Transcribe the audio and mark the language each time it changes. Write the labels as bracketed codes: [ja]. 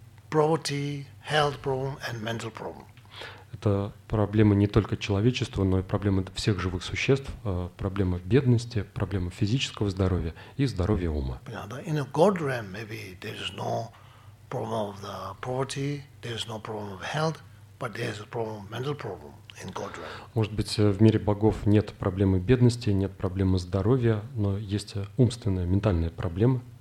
[en] Poverty, health problem and mental problem. [ru] Это проблема не только человечества, но и проблема всех живых существ, проблема бедности, проблема физического здоровья и здоровья ума. [en] In a God realm, maybe there is no problem of the poverty, there is no problem of health, but there is a problem of mental problem. [ru] Может быть, в мире богов нет проблемы бедности, нет проблемы здоровья, но есть умственные, ментальные проблемы.